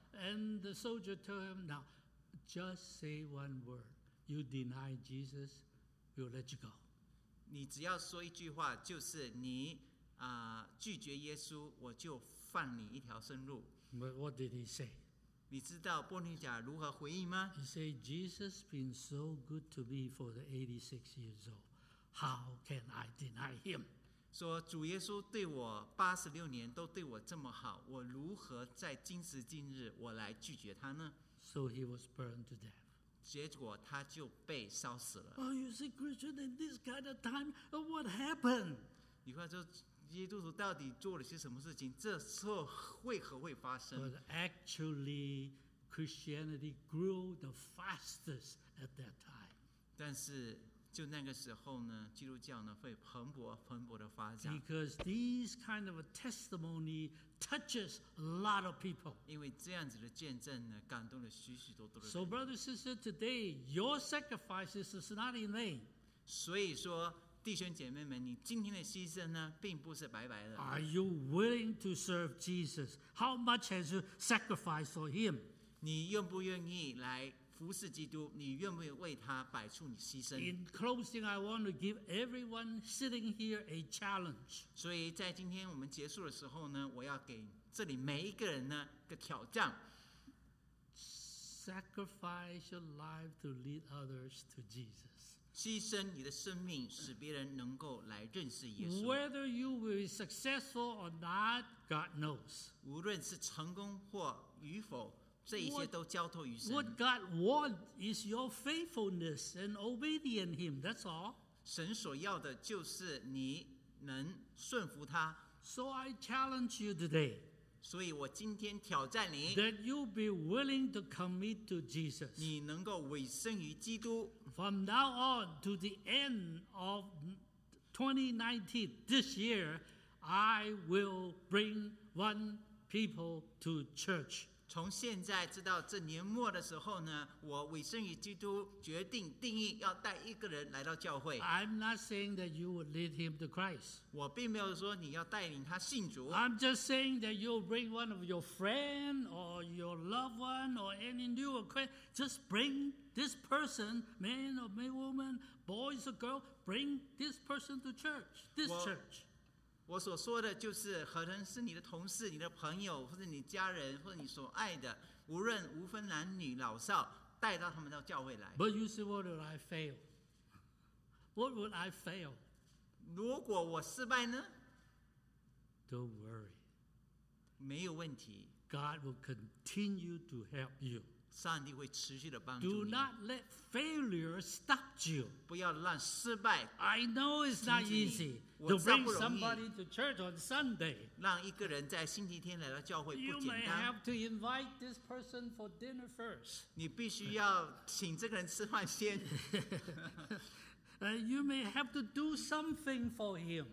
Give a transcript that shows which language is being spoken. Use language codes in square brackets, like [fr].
[en] And the soldier told him now. Just say one word. You deny Jesus, we'll let you go. [zh] 你只要说一句话，就是你拒绝耶稣，我就放你一条生路。 [en] But what did he say? [zh] 你知道波尼甲如何回应吗？ [en] He said, Jesus has been so good to me for the 86 years old. How can I deny him? [zh] 说主耶稣对我86年都对我这么好，我如何在今时今日我来拒绝他呢？ [en] So he was burned to death. [zh] 结果他就被烧死了。 [en] Oh, you see, Christian, in this kind of time, what happened? [zh] 你看这基督徒到底做了些什么事情？这错为何会发生 [en] ？But actually, Christianity grew the fastest at that time. [zh] 但是就那个时候呢，基督教呢会蓬勃蓬勃的发展。 [en] Because these kind of a testimony. Touches a lot of people. [zh] 因为这样子的见证呢，感动了许许多多的人。 [en] So, brother, sister, today your sacrifice is not in vain. [zh] 所以说，弟兄姐妹们，你今天的牺牲呢，并不是白白的。 [en] Are you willing to serve Jesus? How much has you sacrificed for Him? [zh] 你愿不愿意来服侍基督？你愿不愿意为他摆出你牺牲 [en] ？In closing, I want to give everyone sitting here a challenge. [zh] 所以在今天我们结束的时候呢，我要给这里每一个人呢个挑战。 [en] Sacrifice your life to lead others to Jesus. [zh] 牺牲你的生命，使别人能够来认识耶稣。 [en] Whether you will be successful or not, God knows. [zh] 无论是成功或与否。 [en] What God wants is your faithfulness and obedience Him. That's all. [zh] 神所要的就是你能顺服他。 [en] So I challenge you today. [zh] 所以我今天挑战你。 [en] That you be willing to commit to Jesus. [zh] 你能够委身于基督。 [en] From now on to the end of 2019, this year, I will bring one people to church. [zh] 从现在直到这年末的时候呢，我委身于基督，决定定义要带一个人来到教会。 [en] I'm not saying that you will lead him to Christ. [zh] 我并没有说你要带领他信主。 [en] I'm just saying that you'll bring one of your friend or your loved one or any new acquaintance. Just bring this person, man or man, woman, boys or girl, bring this person to church, this church. [zh] 我所说的就是，可能是你的同事、你的朋友，或者你家人，或者你所爱的，无论无分男女老少，带到他们到教会来。 [en] But you see, what would I fail? What would I fail? [zh] 如果我失败呢 [en] ？Don't worry. [zh] 没有问题。 [en] God will continue to help you. [zh] 上帝会持续的帮助 [en] 你。Do not let failure stop you. [zh] 不要让失败。 [en] I know it's not easy. To bring somebody to church on Sunday. [zh] 让一个人在星期天来到教会不简单。 [en] You may have to invite this person for dinner first. [zh] 你必须要请这个人吃饭先。 [en] You may have to do something for him.